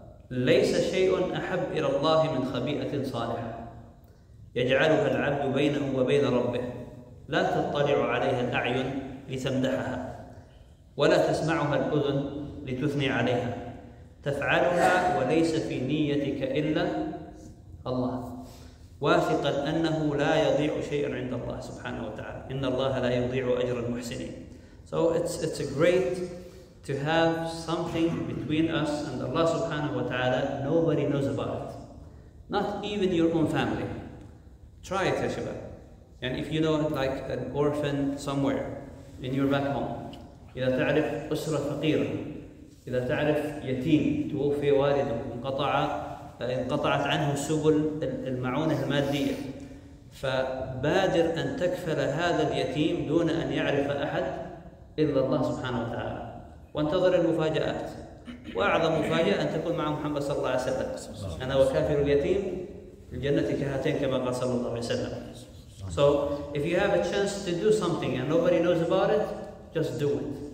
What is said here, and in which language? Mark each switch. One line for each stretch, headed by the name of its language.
Arabic: ليس شيء أحب إلى الله من خبيئة صالحة يجعلها العبد بينه وبين ربه لا تطلع عليها الأعين لتمدحها ولا تسمعها الأذن لتثني عليها تفعلها وليس في نيتك إلا الله واثقا أنه لا يضيع شيء عند الله سبحانه وتعالى إن الله لا يضيع أجر المحسنين.
English: So it's a great to have something between us and Allah subhanahu wa ta'ala nobody knows about it. Not even your own family. Try it, ya shabab. And if you know it, like an orphan somewhere in your back home,
Arabic: إذا تعرف أسرة فقيرة, إذا تعرف يتيم توفي والده انقطعت عنه سبل المعونة المادية, فبادر أن تكفل هذا اليتيم دون أن يعرف أحد إلا الله سبحانه وتعالى, وانتظر المفاجآت. وأعظم مفاجأة أن تكون مع محمد صلى الله عليه وسلم. أنا وكافر اليتيم الجنة كهاتين كما قال صلى الله عليه وسلم.
English: So if you have a chance to do something and nobody knows about it, just do it.